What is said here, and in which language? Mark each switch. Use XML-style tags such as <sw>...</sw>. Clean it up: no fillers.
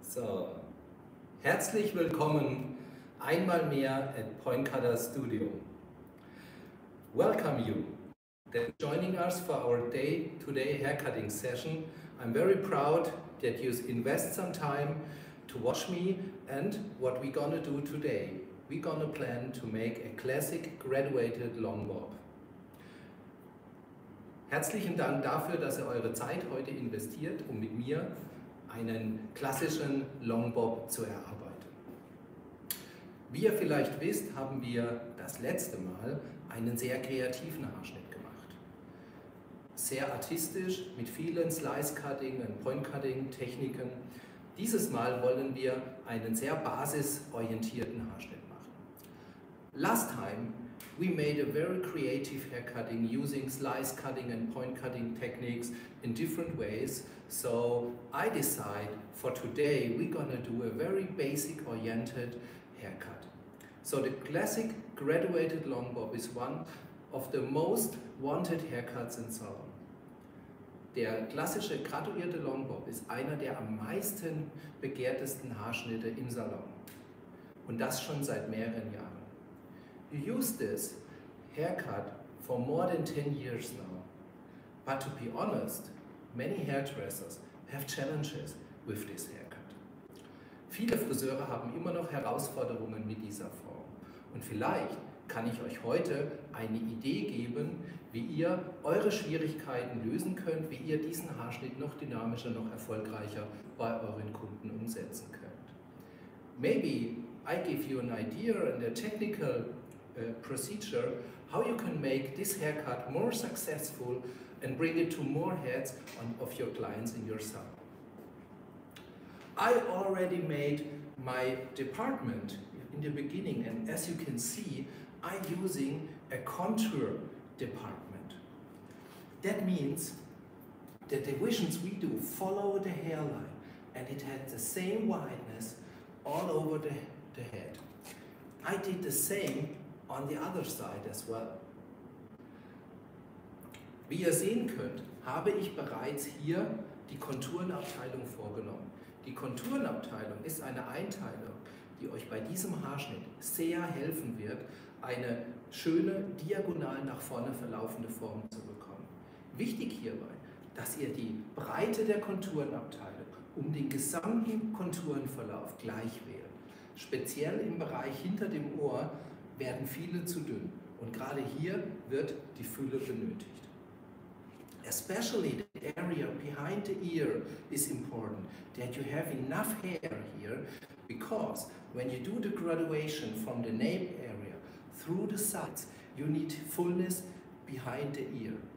<de>So, herzlich willkommen einmal mehr at Point Cutter Studio.</de> <en>Welcome you that joining us for our day-to-day haircutting session. I'm very proud that you invest some time to watch me and what we're gonna do today. We're gonna plan to make a classic graduated long bob.</en> <de>Herzlichen Dank dafür, dass ihr eure Zeit heute investiert, um mit mir einen klassischen Long Bob zu erarbeiten. Wie ihr vielleicht wisst, haben wir das letzte Mal einen sehr kreativen Haarschnitt gemacht. Sehr artistisch, mit vielen Slice-Cutting und Point-Cutting-Techniken. Dieses Mal wollen wir einen sehr basisorientierten Haarschnitt machen.</de> <en>Last time, we made a very creative haircutting using slice cutting and point cutting techniques in different ways. So I decide for today we're gonna do a very basic oriented haircut. So the classic graduated long bob is one of the most wanted haircuts in salon.</en> <de>Der klassische graduierte long bob ist einer der am meisten begehrtesten Haarschnitte im Salon. Und das schon seit mehreren Jahren.</de> <en>You use this haircut for more than 10 years now. But to be honest, many hairdressers have challenges with this haircut.</en> <de>Viele Friseure haben immer noch Herausforderungen mit dieser Form. Und vielleicht kann ich euch heute eine Idee geben, wie ihr eure Schwierigkeiten lösen könnt, wie ihr diesen Haarschnitt noch dynamischer, noch erfolgreicher bei euren Kunden umsetzen könnt.</de> <en>Maybe I give you an idea and a technical procedure how you can make this haircut more successful and bring it to more heads of your clients in your salon. I already made my department in the beginning, and as you can see, I'm using a contour department. That means that the divisions we do follow the hairline and it has the same wideness all over the head. I did the same on the other side as well.</en> <de>Wie ihr sehen könnt, habe ich bereits hier die Konturenabteilung vorgenommen. Die Konturenabteilung ist eine Einteilung, die euch bei diesem Haarschnitt sehr helfen wird, eine schöne, diagonal nach vorne verlaufende Form zu bekommen. Wichtig hierbei, dass ihr die Breite der Konturenabteilung um den gesamten Konturenverlauf gleich wählt. Speziell im Bereich hinter dem Ohr werden viele zu dünn. Und gerade hier wird die Fülle benötigt.</de> <en>Especially the area behind the ear is important, that you have enough hair here, because when you do the graduation from the nape area through the sides, you need fullness behind the ear.</en>